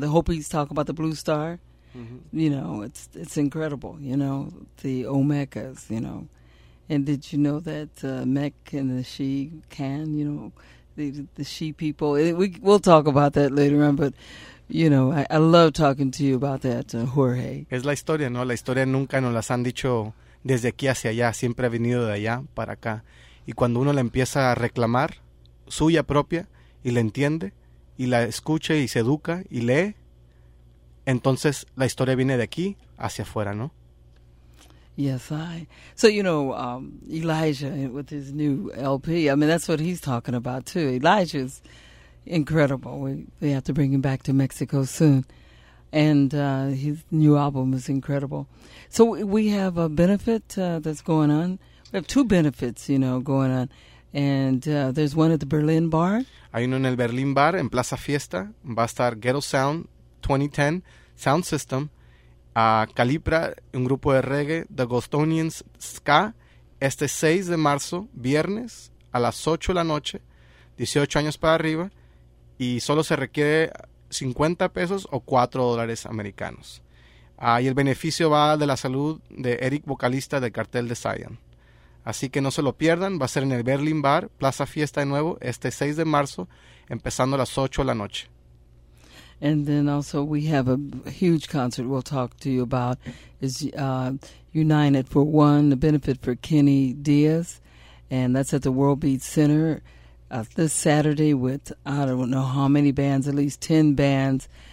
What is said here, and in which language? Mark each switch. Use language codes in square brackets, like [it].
[en] The Hopis talk about the blue star. Mm-hmm. You know, it's incredible, you know, the Olmecas, you know. And did you know that Mek and the She Can, you know, the She people? We'll talk about that later on, but, you know, I love talking to you about that, Jorge. [es] Es la historia, ¿no? La historia nunca nos las han dicho desde aquí hacia allá. Siempre ha venido de allá para acá. Y cuando uno la empieza a reclamar, suya propia, y la entiende, y la escucha, y se educa, y lee, entonces, la historia viene de aquí hacia afuera, ¿no? [en] Yes, I. So, you know, Elijah with his new LP, I mean, that's what he's talking about, too. Elijah's incredible. We have to bring him back to Mexico soon. And his new album is incredible. So, we have a benefit that's going on. We have two benefits, you know, going on. And there's one at the Berlin Bar. [es] Hay uno en el Berlin Bar, en Plaza Fiesta. Va a estar Ghetto Sound 2010 Sound System, Calibra, un grupo de reggae, The Gostonians Ska, este 6 de marzo, viernes, a las 8 de la noche, 18 años para arriba, y solo se requiere $50 o $4 americanos. Y el beneficio va de la salud de Eric, vocalista del cartel de Zion. Así que no se lo pierdan, va a ser en el Berlin Bar, Plaza Fiesta de nuevo, este 6 de marzo, empezando a las 8 de la noche. [en] And then also we have a huge concert we'll talk to you about. It's United for One, the benefit for Kenny Diaz. And that's at the World Beat Center this Saturday with, I don't know how many bands, at least 10 bands.